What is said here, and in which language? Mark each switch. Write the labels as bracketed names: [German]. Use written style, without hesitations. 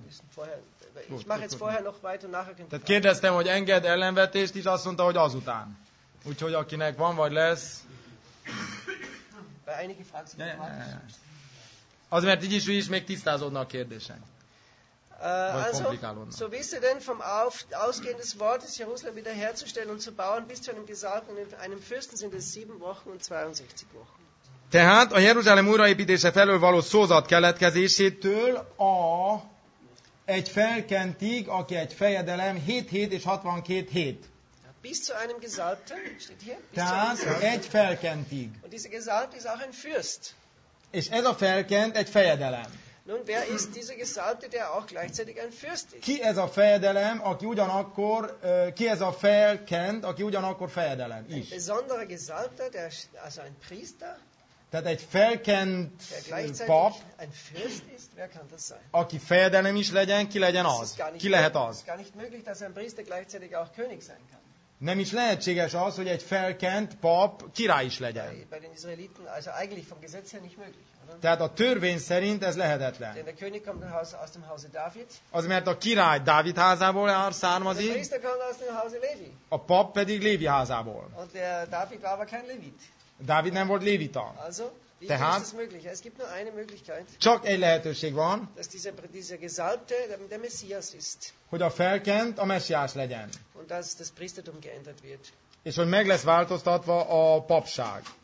[German] Okay. Ich mache jetzt vorher noch weiter und nachher könnt ihr. [Hungarian] Kérdeztem, hogy enged ellenvetést is, azt mondta, hogy azután. Úgyhogy akinek van vagy lesz. [German] Bei einigen Fragen. [Hungarian] Azért így is még tisztázódnak a kérdések. [German] Also, so wisst ihr denn vom Ausgehen des Wortes, Jerusalem wiederherzustellen und zu bauen, bis zu einem Gesalbten, einem Fürsten, sind es 7 Wochen und 62 Wochen. [Hungarian] Tehát a Jeruzsálem újraépítése felől való szózat keletkezésétől egy felkentig, aki egy fejedelem, 7 hét és 62 hét. [German] Bis zu einem Gesalbten, steht hier. [Hungarian] Tehát egy felkentig. [German] Und dieser Gesalbte ist auch ein Fürst. [Hungarian] És ez a felkent egy fejedelem. [German] Nun, wer ist dieser Gesalbte, der auch gleichzeitig ein Fürst ist? [Hungarian] Ki ez a fejedelem, aki ugyanakkor, ki ez a felkent, aki ugyanakkor fejedelem is? [German] Ein besonderer Gesalbte, der, also ein Priester. [Hungarian] Tehát egy felkent pap, [German] ein Fürst ist, wer kann das sein? [Hungarian] Aki fejedelem is legyen, ki legyen az? Ki lehet az? [German] Gar nicht möglich, dass ein Priester gleichzeitig auch König sein kann. [Hungarian] Nem is lehetséges az, hogy egy felkent pap király is legyen. [German] Bei den Israeliten, also eigentlich vom Gesetz her nicht möglich. [Hungarian] Tehát a törvény szerint ez lehetetlen. [German] Denn der König kommt aus dem Hause David. [Hungarian] Az, mert a király Dávid házából származik. [German] Der Priester kommt aus dem Hause Levi. [Hungarian] A pap pedig Lévi házából. [German] Und der David war aber kein Levit. [Hungarian] Dávid nem volt lévita. [German] Also, tehát ist es möglich? Es gibt nur eine Möglichkeit. [Hungarian] Csak egy lehetőség van. [German] Dass dieser Gesalbte der Messias ist. [Hungarian] Hogy a felkent a messiás legyen. [German] Und dass das Priestertum geändert wird. [Hungarian] És hogy meg lesz változtatva a papság.